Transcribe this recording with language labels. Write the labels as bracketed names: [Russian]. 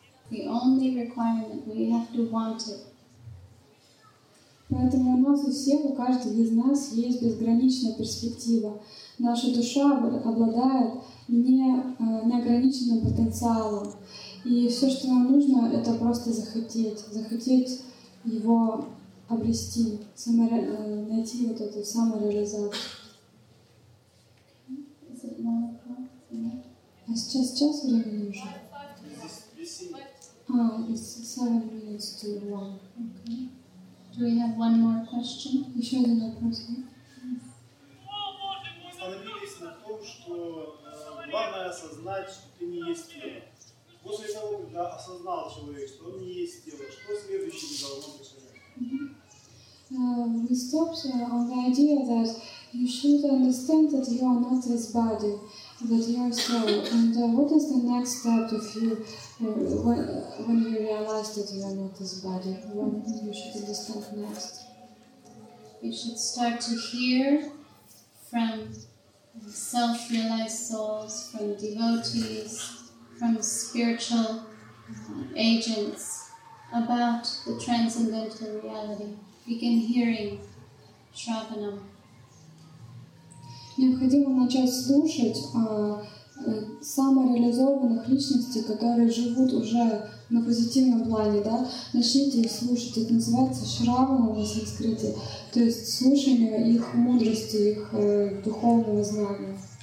[English] The only requirement, we have to want it. [Russian] Поэтому у нас у всех, у каждого из нас есть безграничная перспектива. Наша душа обладает неограниченным потенциалом. И все, что нам нужно, это просто захотеть. Захотеть его обрести, найти вот эту самореализацию. [English] Is it 1:00? [Russian] А сейчас час времени уже? [English] It's 7:00. Do we have one more question? [Russian] Еще один вопрос. Остановились на том, что главное осознать, что ты не есть тело. После того, когда осознал человек, что он не есть тело, что следующее должно быть? [English] We stopped on the idea that you should understand that you are not this body, that you are soul. And what is the next step if you, when you realize that you are not this body, what you should understand next? You should start to hear from self-realized souls, from devotees, from spiritual agents about the transcendental reality. Begin hearing Shravanam. [Russian] Необходимо начать слушать самореализованных личностей, которые живут уже на позитивном плане, да, начните их слушать. Это называется шрамы на санскрите, то есть слушание их мудрости, их духовного знания.